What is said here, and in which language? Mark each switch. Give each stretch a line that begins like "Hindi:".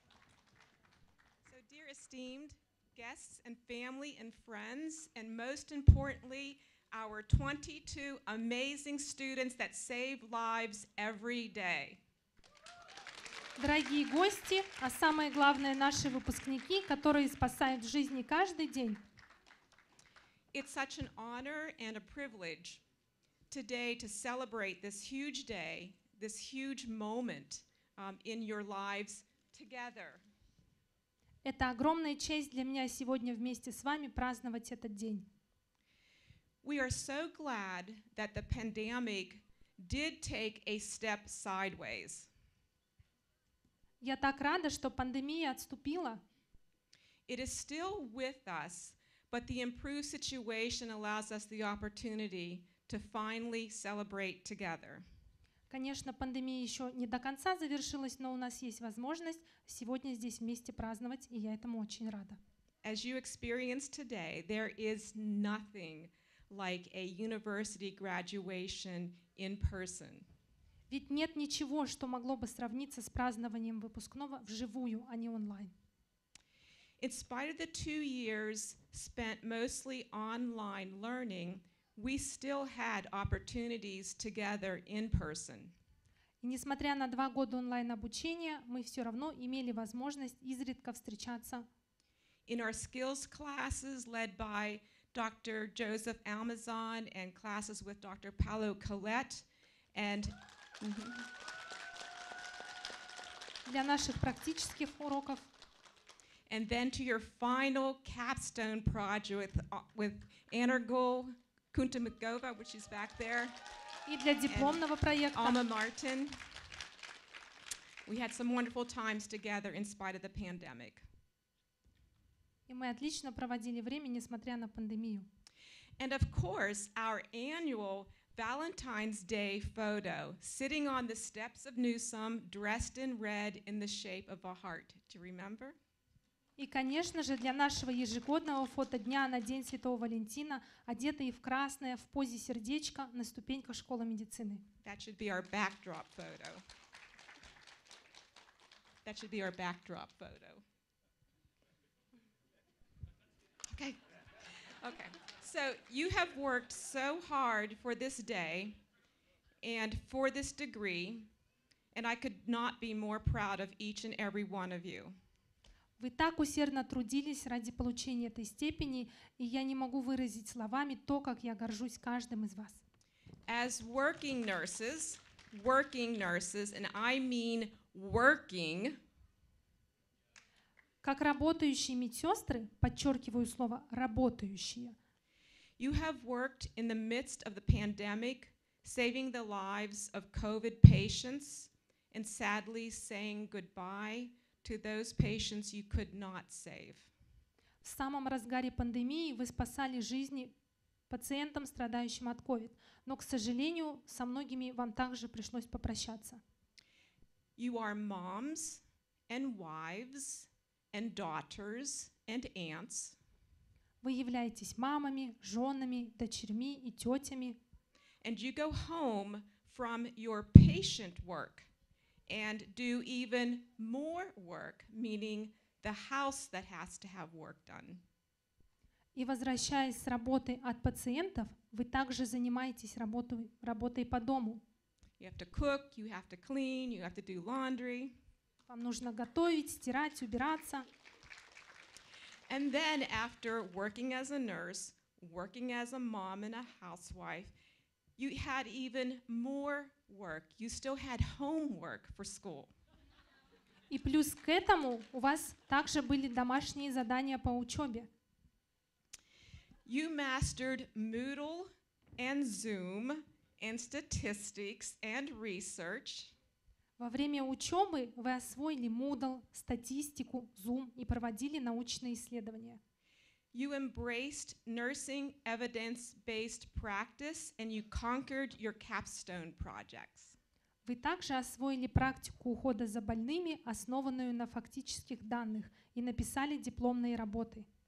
English: Okay. So dear esteemed guests and family and friends, and most importantly, our 22 amazing students that save lives every day.
Russian: Дорогие гости, а самое главное наши выпускники, которые спасают жизни каждый день.
English: It's such an honor and a privilege today to celebrate this huge day, this huge moment in your lives together.
Russian: Это огромная честь для меня сегодня вместе с вами праздновать этот день.
English: We are so glad that the pandemic did take a step sideways.
Russian: Я так рада, что пандемия отступила.
English: It is still with us, but the improved situation allows us the opportunity to finally celebrate together.
Russian: Конечно, пандемия еще не до конца завершилась, но у нас есть возможность сегодня здесь вместе праздновать, и я этому очень рада.
English: As you experience today, there is nothing like a university graduation in person.
Russian: Ведь нет ничего, что могло бы сравниться с празднованием выпускного вживую, а не онлайн.
English: In spite of the 2 years spent mostly online learning, we still had opportunities together in person.
Russian: И несмотря на 2 года онлайн-обучения, мы все равно имели возможность изредка встречаться.
English: In our skills classes led by Dr. Joseph Almazan and classes with Dr. Paulo Collette and
Russian: для наших практических уроков.
English: And then to your final capstone project with Anargul Kuntamagova, which is back there.
Russian: И для дипломного проекта.
English: Alma Martin. We had some wonderful times together in spite of the pandemic.
Russian: И мы отлично проводили время, несмотря на пандемию.
English: And of course, our annual Valentine's Day photo, sitting on the steps of Newsom, dressed in red in the shape of a heart. Do you remember?
Russian: И, конечно же, для нашего ежегодного фото дня на День Святого Валентина, одетые в красное, в позе сердечка на ступеньках школы медицины.
English: That should be our backdrop photo. That should be our backdrop photo. Okay. Okay. So you have worked so hard for this day and for this degree, and I could not be more proud of each and every one of you.
Russian: Вы так усердно трудились ради получения этой степени, и я не могу выразить словами то, как я горжусь каждым из вас.
English: As working nurses, and I mean working,
Russian: как работающие медсестры, подчеркиваю слово «работающие»,
English: you have worked in the midst of the pandemic, saving the lives of COVID patients, and sadly saying goodbye to those patients you could not save.
Russian: В самом разгаре пандемии вы спасали жизни пациентам, страдающим от COVID, но, к сожалению, со многими вам также пришлось попрощаться.
English: You are moms and wives and daughters and aunts.
Russian: Вы являетесь мамами, женами, дочерьми и тетями.
English: And you go home from your patient work and do even more work, meaning the house that has to have work done.
Russian: И возвращаясь с работы от пациентов, вы также занимаетесь работой по дому.
English: You have to cook, you have to clean, you have to do laundry.
Russian: Вам нужно готовить, стирать, убираться.
English: And then after working as a nurse, working as a mom and a housewife, you had even more work. You still had homework for school.
Russian: И плюс к этому у вас также были домашние задания по учебе.
English: You mastered Moodle and Zoom and statistics and research.
Russian: Во время учебы вы освоили Moodle, статистику, Zoom и проводили научные исследования.
English: You embraced nursing evidence-based practice and you conquered your capstone projects.
Russian: Вы также освоили практику ухода за больными, основанную на фактических данных, и написали дипломные работы.